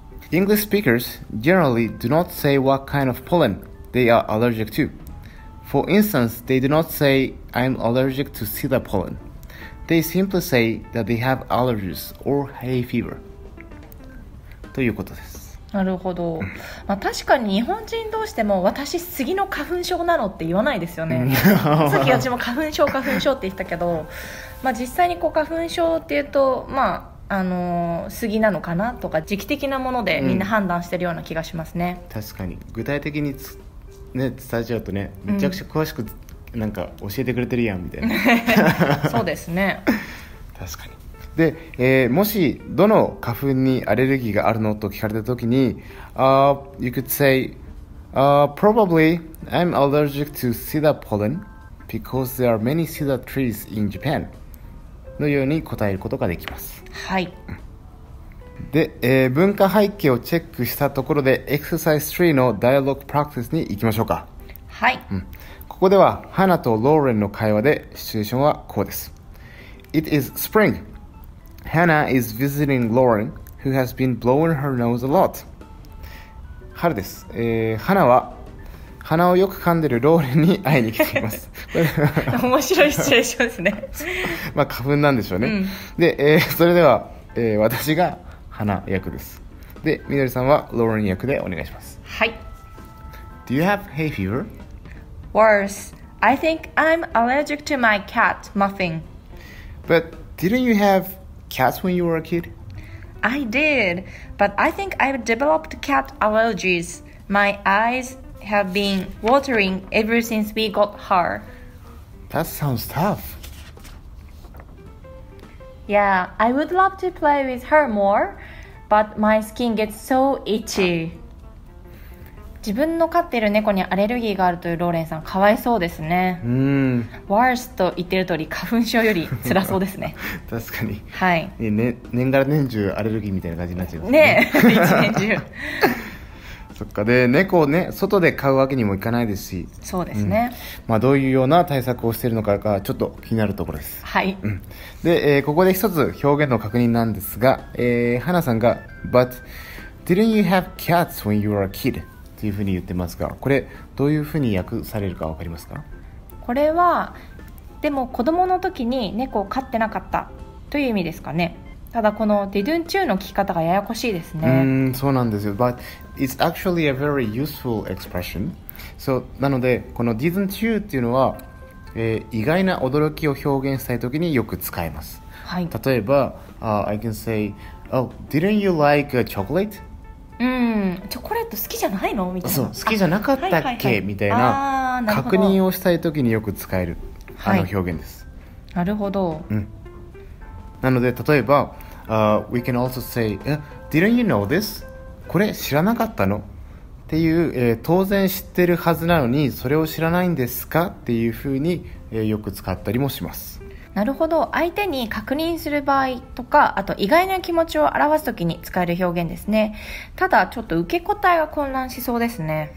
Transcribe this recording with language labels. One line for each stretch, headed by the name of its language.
English: English speakers generally do not say what kind of pollen they are allergic to. For instance, they do not say I'm allergic to cedar pollen. They simply say that they have allergies or hay fever.
Japanese: ということです。なるほど、まあ、確かに日本人同士でも私杉の花粉症なのって言わないですよね。さっき私も花粉症花粉症って言ったけど、まあ、実際にこう花粉症っていうと、まあ杉なのかなとか時期的なものでみんな判断してるような気がしますね、うん、確かに具体的に、ね、伝えちゃうとねめちゃくちゃ詳しくなんか教えてくれてるやんみたいな、うん、そうですね。確かに。で、もしどの花粉にアレルギーがあるのと聞かれた時に、
English: you could say、probably I'm allergic to cedar pollen because there are many cedar trees in Japan
Japanese: のように答えることができます。はい。で、文化背景をチェックしたところでエクササイズ3のダイアログプラクティスに行きましょうか。はい、うん、ここではハナとローレンの会話でシチュエーションはこうです。
English: It is spring. Hannah is visiting Lauren who has been blowing her nose a lot.
Japanese: 春です。ハナは鼻をよく噛んでるローレンに会いに来ています。面白いシチュエーションですね。まあ花粉なんでしょうね、うん、で、それでは、私が花役です。で、みどりさんはローレン役でお願いします。はい。
English: Do you have hay fever? Worse, I think I'm allergic to my cat, Muffin. But didn't you have cats when you were a kid? I did, but I think I've developed cat allergies. My eyes have been watering ever since we got her. That sounds tough. Yeah, I would love to play with her more, but my skin gets so itchy.
Japanese: 自分の飼っている猫にアレルギーがあるというローレンさん、かわいそうですね。うん。 Worse と言ってる通り、花粉症より辛そうですね。確かに。はい。ね、年がら年中アレルギーみたいな感じになっちゃいますね。ねえ、一年中。そっか。で、猫をね、外で飼うわけにもいかないですし、そうですね、うん、まあ、どういうような対策をしているのかがちょっと気になるところです。はい、うん、で、ここで一つ表現の確認なんですが、ハナさんが
English: But didn't you have cats when you were a kid?
Japanese: というふうに言ってますが、これどういうふうに訳されるかわかりますか？これはでも子供の時に猫を飼ってなかったという意味ですかね。ただこの didn't you の聞き方がややこしいですね。うん、そうなんですよ。
English: But it's actually a very useful expression. So,
Japanese: なのでこの didn't you っていうのは、意外な驚きを表現したいときによく使えます。はい。例えば、
English: I can say, Oh, didn't you like chocolate?
Japanese: うん、チョコレート好きじゃないのみたいな。そう、好きじゃなかったっけ、はいはいはい、みたいな確認をしたいときによく使える、はい、あの表現です。なるほど。うん。なので例えば、
English: we can also say didn't you know this?
Japanese: これ知らなかったのっていう、当然知ってるはずなのにそれを知らないんですかっていうふうに、よく使ったりもします。なるほど。相手に確認する場合とか、あと意外な気持ちを表すときに使える表現ですね。ただちょっと受け答えが混乱しそうですね。